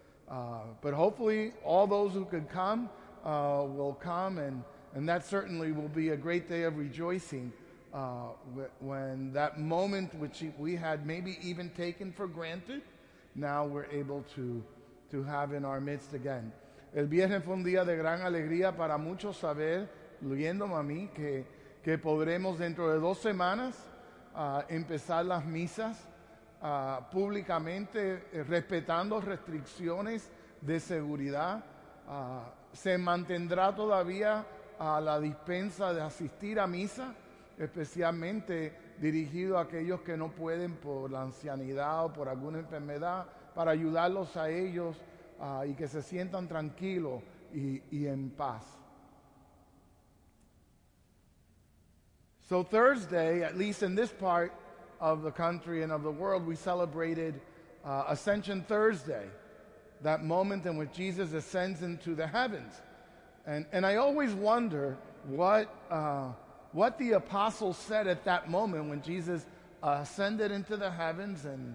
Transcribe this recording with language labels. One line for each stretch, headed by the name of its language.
English: But hopefully all those who could come will come, and that certainly will be a great day of rejoicing when that moment which we had maybe even taken for granted, now we're able to have in our midst again.
Spanish: El viernes fue un día de gran alegría para muchos saber, leyendo a mí, que podremos dentro de 2 semanas empezar las misas públicamente, respetando restricciones de seguridad. Se mantendrá todavía a la dispensa de asistir a misa, especialmente dirigido a aquellos que no pueden por la ancianidad o por alguna enfermedad, para ayudarlos a ellos y que se sientan tranquilos y en paz.
English: So Thursday, at least in this part of the country and of the world, we celebrated Ascension Thursday, that moment in which Jesus ascends into the heavens. And I always wonder what the apostles said at that moment when Jesus ascended into the heavens.